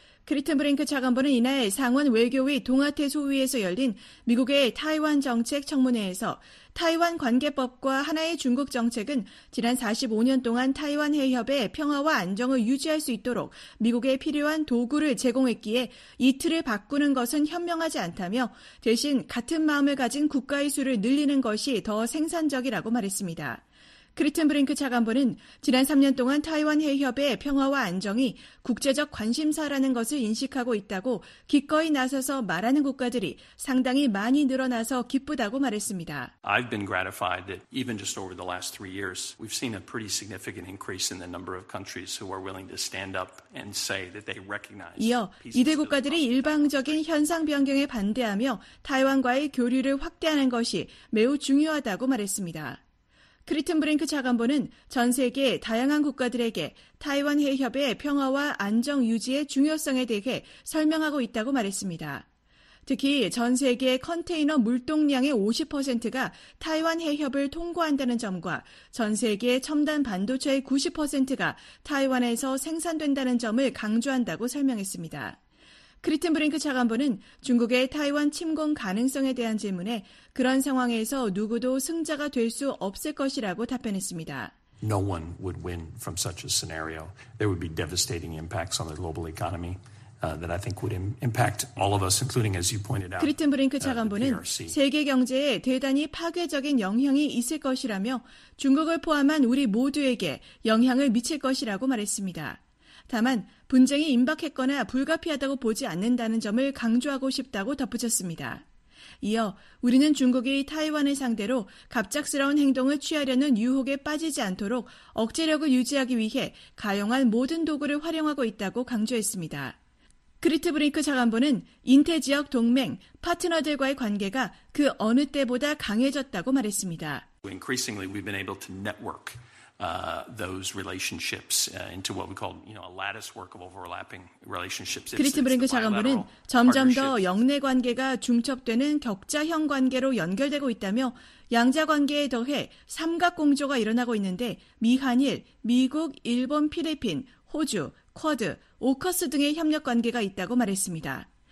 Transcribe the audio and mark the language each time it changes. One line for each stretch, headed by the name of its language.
Korean: 크리튼브링크 차관보는 이날 상원 외교위 동아태 소위에서 열린 미국의 타이완 정책 청문회에서 타이완 관계법과 하나의 중국 정책은 지난 45년 동안 타이완 해협의 평화와 안정을 유지할 수 있도록 미국에 필요한 도구를 제공했기에 이 틀을 바꾸는 것은 현명하지 않다며 대신 같은 마음을 가진 국가의 수를 늘리는 것이 더 생산적이라고 말했습니다. 크리튼브링크 차관보는 지난 3년 동안 타이완 해협의 평화와 안정이 국제적 관심사라는 것을 인식하고 있다고 기꺼이 나서서 말하는 국가들이 상당히 많이 늘어나서 기쁘다고 말했습니다.
English: I've been gratified that even just over the last three years, we've seen a pretty significant increase in the number of countries who are willing to stand up and say that they recognize.
Korean: 이어 이대 국가들이 일방적인 현상 변경에 반대하며 타이완과의 교류를 확대하는 것이 매우 중요하다고 말했습니다. 크리튼브링크 차관보는 전 세계 다양한 국가들에게 타이완 해협의 평화와 안정 유지의 중요성에 대해 설명하고 있다고 말했습니다. 특히 전 세계 컨테이너 물동량의 50%가 타이완 해협을 통과한다는 점과 전 세계 첨단 반도체의 90%가 타이완에서 생산된다는 점을 강조한다고 설명했습니다. 크리텐브링크 차관보는 중국의 타이완 침공 가능성에 대한 질문에 그런 상황에서 누구도 승자가 될 수 없을 것이라고 답변했습니다.
English: No one would win from such a scenario. There would be devastating impacts on the global economy. That I think would impact all of us, including as you pointed out.
Korean: 크리텐브링크 차관보는 세계 경제에 대단히 파괴적인 영향이 있을 것이라며 중국을 포함한 우리 모두에게 영향을 미칠 것이라고 말했습니다. 다만 분쟁이 임박했거나 불가피하다고 보지 않는다는 점을 강조하고 싶다고 덧붙였습니다. 이어 우리는 중국이 타이완을 상대로 갑작스러운 행동을 취하려는 유혹에 빠지지 않도록 억제력을 유지하기 위해 가용한 모든 도구를 활용하고 있다고 강조했습니다. 크리트브링크 차관보는 인태 지역 동맹, 파트너들과의 관계가 그 어느 때보다 강해졌다고 말했습니다.
English: Increasingly, we've been able to network those relationships into what we call, you know, a lattice work of overlapping relationships.
Korean: 크리트브링크 차관보는 점점 더 역내 관계가 중첩되는 격자형 관계로 연결되고 있다며 양자 관계에 더해 삼각공조가 일어나고 있는데 미한일, 미국, 일본, 필리핀, 호주, 쿼드, 오커스 등의 협력 관계가 있다고 말했습니다.